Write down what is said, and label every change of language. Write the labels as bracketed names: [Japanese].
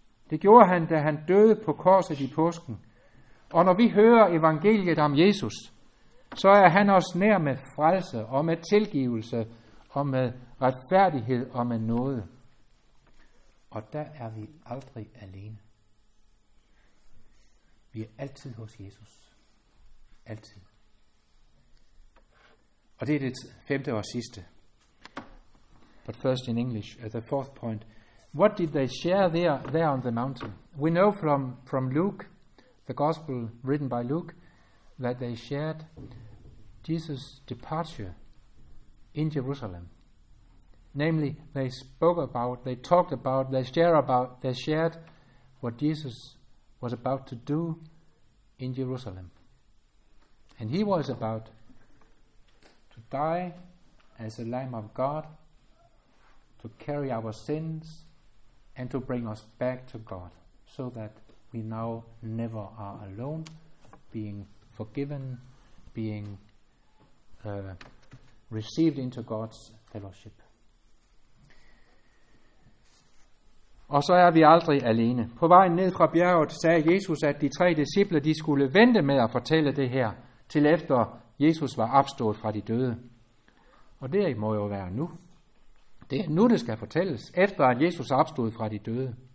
[Danish] Det gjorde han, da han døde på korset i påsken. Og når vi hører evangeliet om Jesus, så er han os nær med frelse og med tilgivelse og med retfærdighed og med nåde. Og der er vi aldrig alene. Vi er altid hos Jesus. Altid. Og det er det femte og sidste. [English] But first in English, the fourth point. What did they share there on the mountain? We know from Luke, the gospel written by Luke, that they shared Jesus' departure in Jerusalem. Namely, they spoke about, they talked about, they shared what Jesus was about to do in Jerusalem. And he was about to die as the Lamb of God, to carry our sins, and to bring us back to God, so that we now never are alone, being forgiven, being received into God's fellowship. [Danish] Og så er vi aldrig alene. På vejen ned fra bjerget sagde Jesus, at de tre disciple, de skulle vente med at fortælle det her, til efter Jesus var opstået fra de døde. Og det må jo være nu. Det er nu, det skal fortælles, efter at Jesus opstod fra de døde.